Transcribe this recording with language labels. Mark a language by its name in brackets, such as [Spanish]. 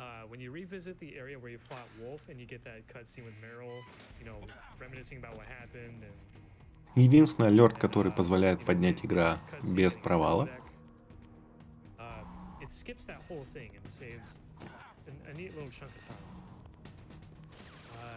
[English] When you revisit the area where you fought Wolf and you get that cutscene with Meryl, you know, reminiscing about what happened. And... [Russian] Единственный алерт, который позволяет поднять игра без провала. [English] It skips that whole thing and saves a neat little chunk of time.